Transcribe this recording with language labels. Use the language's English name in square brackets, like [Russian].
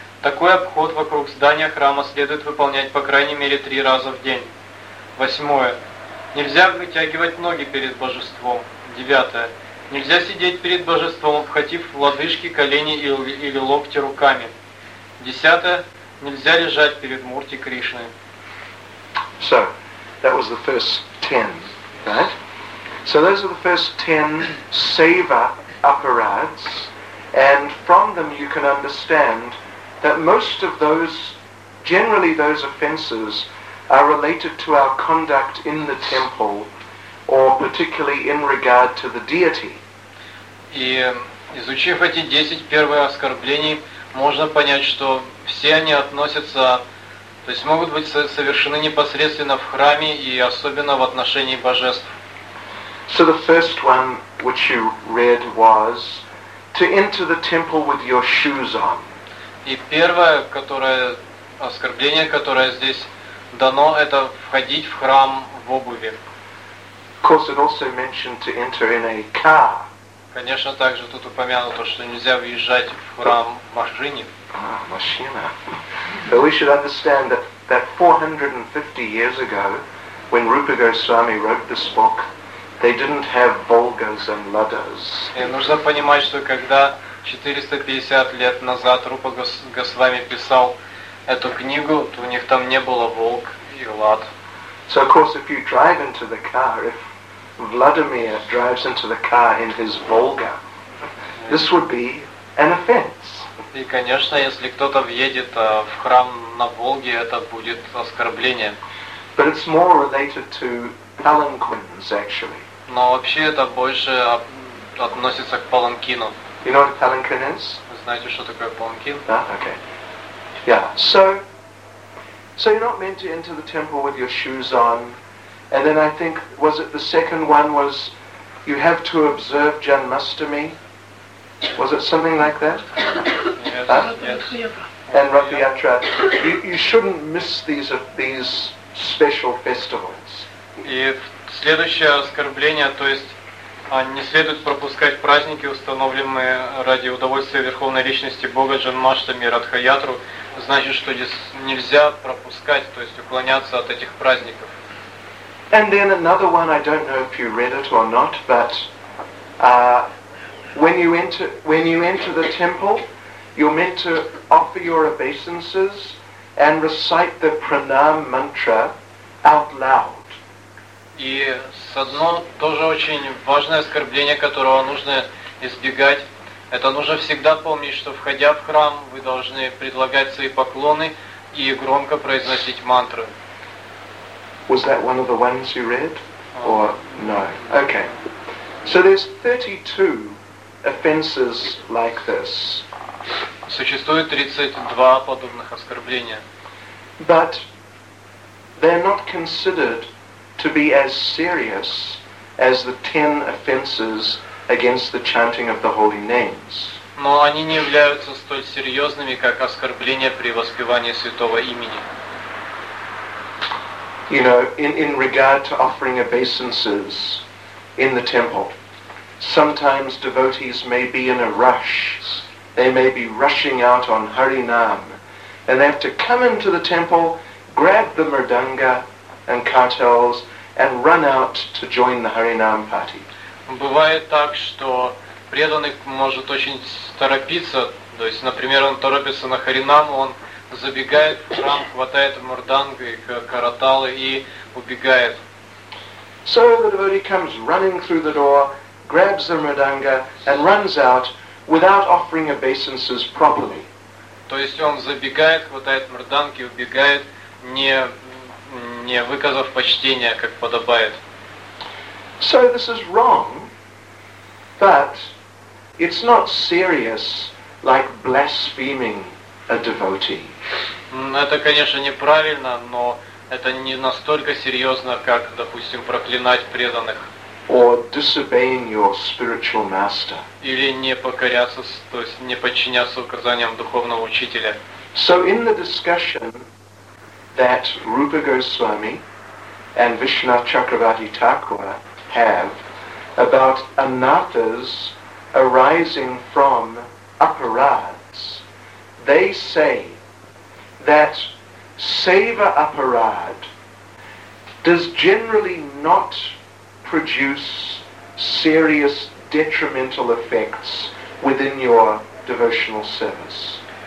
[Russian] Такой обход вокруг здания храма следует выполнять по крайней мере 3 раза в день. Восьмое. Нельзя вытягивать ноги перед божеством. Девятое. Нельзя сидеть перед божеством, обхватив лодыжки, колени или локти руками. Десятое. Нельзя лежать перед мурти Кришны. [English] So, that was the first 10, right? So those are the first 10 seva aparads, and from them you can understand that most of those, generally those offenses, are related to our conduct in the temple, or particularly in regard to the deity. [Russian] И изучив эти 10 первых оскорблений, можно понять, что все они относятся, то есть могут быть совершены непосредственно в храме и особенно в отношении божеств. [English] So the first one which you read was to enter the temple with your shoes on. [Russian] И первое, которое оскорбление, которое здесь дано, это входить в храм в обуви. [English] Of course, it also mentioned to enter in a car. [Russian] Конечно, также тут упомянуто, что нельзя въезжать в храм в машине. Машина. [English] But we should understand that 450 years ago, when Rupa Goswami wrote this book, they didn't have Volgas and Ladas. [Russian] И нужно понимать, что когда 450 лет назад Рупа Госвами писал эту книгу, то у них там не было Волг и Лад. [English] So of course, if you drive into the car, if Vladimir drives into the car in his Volga, this would be an offense. [Russian] И конечно, если кто-то въедет в храм на Волге, это будет оскорбление. [English] But it's more related to palanquins, actually. [Russian] Но вообще это больше относится к паланкину. [English] You know what a palanquin is? [Russian] Вы знаете, что такое паланкин? [English] Ah, okay. Yeah. So you're not meant to enter the temple with your shoes on. And then I think, was it the second one was you have to observe Janmashtami? Was it something like that? Yes. And Rath Yatra. You shouldn't miss these special festivals. [Russian] Следующее оскорбление, то есть не следует пропускать праздники, установленные ради удовольствия Верховной Личности Бога Джанмаштами и Радхаятру, значит, что здесь нельзя пропускать, то есть уклоняться от этих праздников. [English] And then another one, I don't know if you read it or not, but when you enter the temple, you're meant to offer your obeisances and recite the pranam mantra out loud. [Russian] И одно тоже очень важное оскорбление, которого нужно избегать, это нужно всегда помнить, что входя в храм, вы должны предлагать свои поклоны и громко произносить мантры. [English] Was that one of the ones you read? Or no? Okay. So there's 32 offenses like this. [Russian] Существует 32 подобных оскорбления. [English] But they're not considered to be as serious as the 10 offenses against the chanting of the holy names. [Russian] Но они не являются столь серьезными, как оскорбление при воспевании святого имени. [English] You know, in regard to offering obeisances in the temple, sometimes devotees may be in a rush. They may be rushing out on Harinam, and they have to come into the temple, grab the mridanga and cartels, and run out to join the Harinam party. [Russian] Бывает так, что преданный может очень торопиться, то есть, например, он торопится на Харинам, он забегает в храм, хватает мрданга и каратал и убегает. [English] So the devotee comes running through the door, grabs the mridanga and runs out without offering obeisances properly. [Russian] То есть он забегает, хватает мрданги, убегает, не выказав почтения, как подобает. [English] So this is wrong, but it's not serious like blaspheming a devotee. [Russian] Это, конечно, неправильно, но это не настолько серьезно, как, допустим, проклинать преданных. [English] Or disobeying your spiritual master. [Russian] Или не покоряться, то есть не подчиняться указаниям духовного учителя. [English] So in the discussion that Rupa Goswami and Vishnath Chakravarti Thakura have about anathas arising from aparads, they say that seva aparad does generally not produce serious detrimental effects within your devotional service.